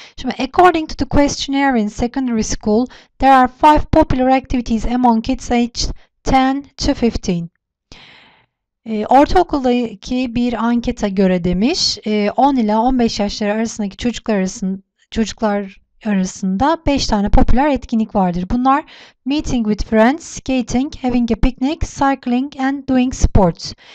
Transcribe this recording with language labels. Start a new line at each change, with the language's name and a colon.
English: Şimdi according to the questionnaire in secondary school, there are five popular activities among kids aged 10 to 15.
Turkish: Ortaokuldaki bir ankete göre demiş, 10 ile 15 yaşları arasındaki çocuklar arasında 5 tane popüler etkinlik vardır. Bunlar
English: meeting with friends, skating, having a picnic, cycling and doing sports.